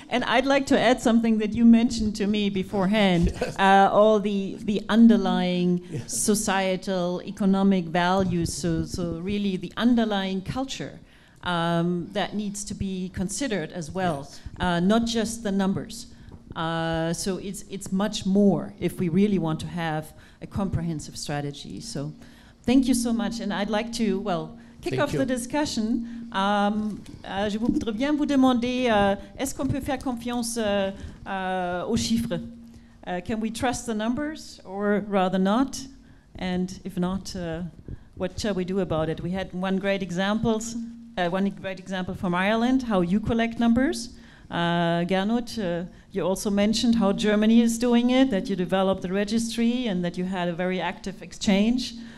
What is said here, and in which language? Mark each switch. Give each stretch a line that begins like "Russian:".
English: And I'd like to add something that you mentioned to me beforehand, all the underlying societal, economic values, so really the underlying culture that needs to be considered as well, not just the numbers. So it's much more if we really want to have a comprehensive strategy. So thank you so much. And I'd like to, kick off the discussion.
French: Je voudrais bien vous demander, est-ce qu'on peut faire confiance aux chiffres?
English: Can we trust the numbers or rather not? And if not, what shall we do about it? We had one great example from Ireland, how you collect numbers. Gernot, you also mentioned how Germany is doing it, that you developed the registry and that you had a very active exchange.